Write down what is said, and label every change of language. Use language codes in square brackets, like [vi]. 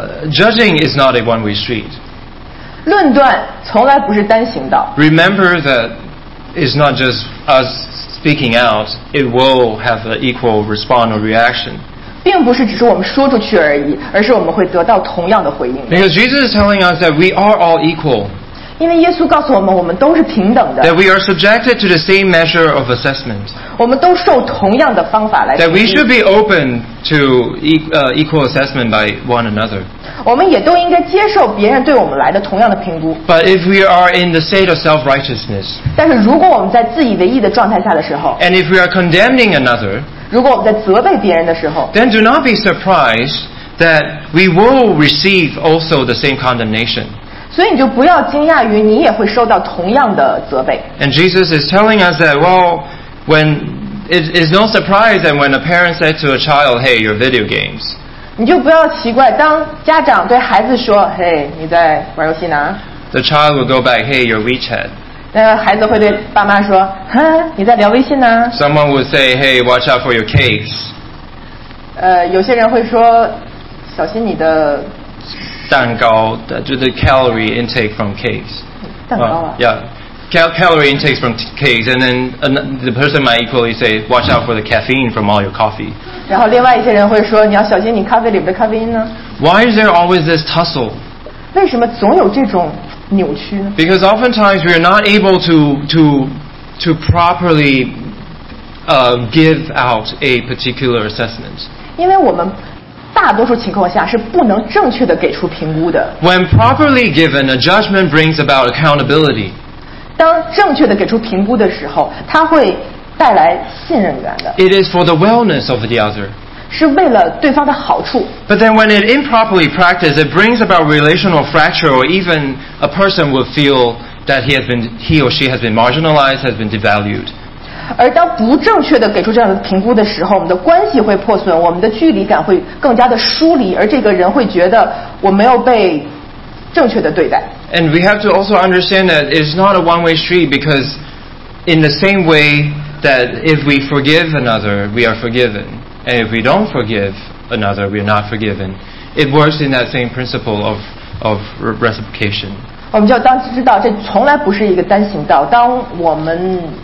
[en] Judging is not a one-way street. [zh] 论断从来不是单行道。 [en] Remember that. It's not just us speaking out, it will have an equal response or reaction. [zh] 并不是只是我们说出去而已，而是我们会得到同样的回应。 [en] Because Jesus is telling us that we are all equal. [zh] 因为耶稣告诉我们，我们都是平等的。 [en] That we are subjected to the same measure of assessment. [zh] 我们都受同样的方法来评估。 [en] That we should be open to equal assessment by one another. [zh] 我们也都应该接受别人对我们来的同样的评估。 [en] But if we are in the state of self-righteousness, [zh] 但是如果我们在自以为意的状态下的时候， [en] and if we are condemning another, [zh] 如果我们在责备别人的时候， [en] then do not be surprised that we will receive also the same condemnation. [zh] 所以你就不要惊讶于你也会受到同样的责备。 [en] And Jesus is telling us that, well, when it is no surprise that when a parent said to a child, "Hey, your video games." [zh] 你就不要奇怪，当家长对孩子说，嘿、 [en] hey, [zh] ，你在玩游戏呢。 [en] The child will go back, "Hey, your WeChat." [zh] 那孩子会对爸妈说，哈，你在聊微信呢。 [en] Someone would say, "Hey, watch out for your cakes." [zh] 有些人会说，小心你的。蛋糕就是 [en] calorie intake from cakes [zh] 蛋糕啊、 [en] yeah. calorie intake from cakes and then the person might equally say watch out for the caffeine from all your coffee [zh] 然后另外一些人会说你要小心你咖啡里的咖啡因呢 [en] Why is there always this tussle? [zh] 为什么总有这种扭曲呢 [en] Because oftentimes we are not able to properly give out a particular assessment [zh] 因为我们大多数情况下是不能正确的给出评估的。 [en] When properly given, a judgment brings about accountability. [zh] 当正确的给出评估的时候，它会带来信任感的。 [en] It is for the wellness of the other. [zh] 是为了对方的好处。 [en] But then when it improperly practiced, it brings about relational fracture, or even a person will feel that he or she has been marginalized, has been devalued. [zh] 而当不正确的给出这样的评估的时候，我们的关系会破损，我们的距离感会更加的疏离，而这个人会觉得我没有被正确的对待。 [en] And we have to also understand that it's not a one-way street because in the same way that if we forgive another, we are forgiven. And if we don't forgive another, we are not forgiven. It works in that same principle of reciprocation. [zh] 我们就当知道这从来不是一个单行道，当我们